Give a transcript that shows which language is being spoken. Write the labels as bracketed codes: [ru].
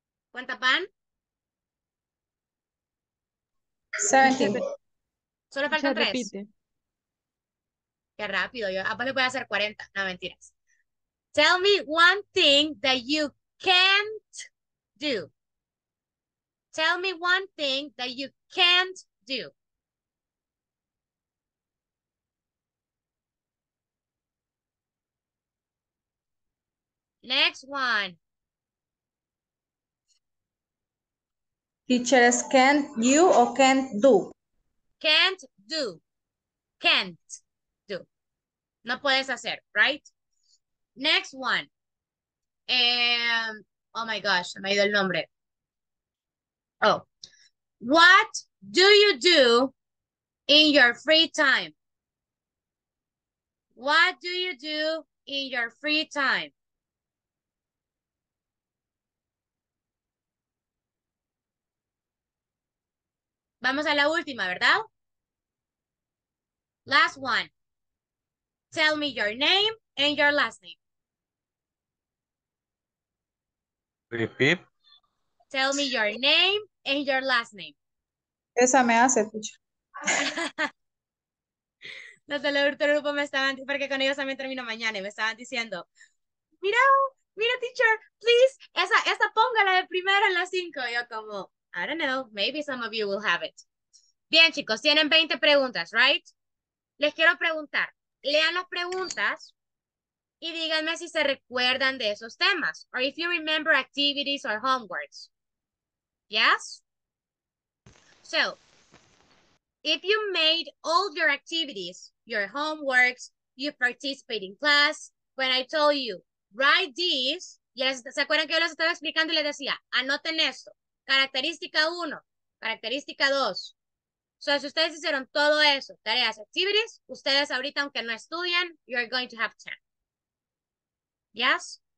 [es] ¿Cuántas van? 70. Solo faltan 3. Qué rápido, yo apenas le voy a hacer 40. No, mentiras. [en] Tell me one thing that you can't do. Tell me one thing that you can't do. Next one. Teachers, can't you or can't do? Can't do. Can't do. [es] No puedes hacer, [en] right? Next one. Oh my gosh, [es] me ha ido el nombre. Oh. [en] What do you do in your free time? What do you do in your free time? [es] Vamos a la última, ¿verdad? [en] Last one. Tell me your name and your last name. Repeat. Tell me your name and your last name. [es] Esa me hace, pucha. Los del grupo me estaban, porque con ellos también termino mañana, y me estaban diciendo, mira, mira, teacher, please, esa póngala de primera en las 5. Yo como, [en] I don't know, maybe some of you will have it. [es] Bien, chicos, tienen 20 preguntas, right? Les quiero preguntar, lean las preguntas y díganme si se recuerdan de esos temas. [en] Or if you remember activities or homeworks. Yes? So, if you made all your activities, your homeworks, you participated in class, when I told you, write these, [es] ya se acuerdan que yo les estaba explicando y les decía, anoten esto, característica 1, característica 2, o sea, si ustedes hicieron todo eso, tareas, activities, ustedes ahorita, aunque no estudien, [en] you're going to have 10. Yes?